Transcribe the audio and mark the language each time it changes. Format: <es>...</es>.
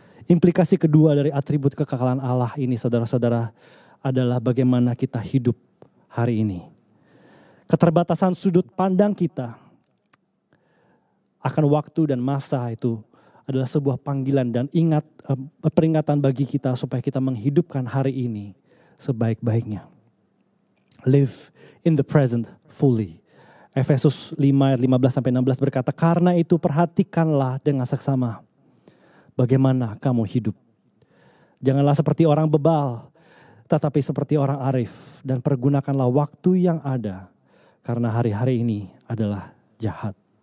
<id>Implikasi kedua dari atribut kekekalan Allah ini, saudara-saudara, adalah bagaimana kita hidup hari ini. Keterbatasan sudut pandang kita akan waktu dan masa itu adalah sebuah panggilan dan ingat peringatan bagi kita supaya kita menghidupkan hari ini sebaik-baiknya.</id> <en>Live in the present fully.</en> <id>Efesus 5 ayat 15-16 berkata, karena itu perhatikanlah dengan seksama bagaimana kamu hidup. Janganlah seperti orang bebal, tetapi seperti orang arif. Dan pergunakanlah waktu yang ada, karena hari-hari ini adalah jahat.</id>